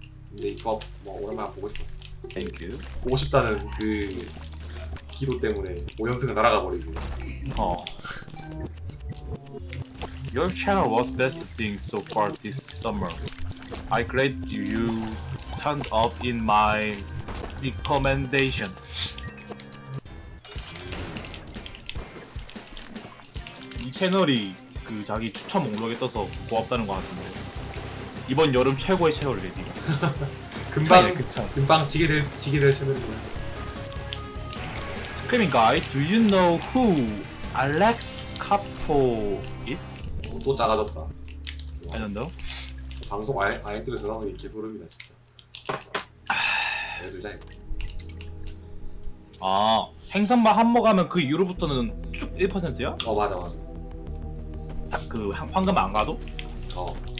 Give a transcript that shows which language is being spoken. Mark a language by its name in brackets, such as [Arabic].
[Korean] 근데 이거 뭐 오랜만에 보고 싶었어. 땡큐. 보고 싶다는 그 기도 때문에 5연승은 날아가 버리고. 어. [English] Your channel was best thing so far this summer. I grade you turned up in my recommendation. [Korean] 이 채널이 그 자기 추천 목록에 떠서 고맙다는 것 같은데 이번 여름 최고의 채널 레디. 금방 그쵸? 금방 지게 될 채널이구나. [English] Screaming guy, do you know who Alex Capo is? [Korean] 또 작아졌다. 알던데요? 방송 아이들 전화하는 게 개소름이다 진짜. 애들 다 이거. 아 행선바 한몫하면 그 이후로부터는 쭉 1%야? 어 맞아 맞아. 다, 그 황금 안 가도? 어.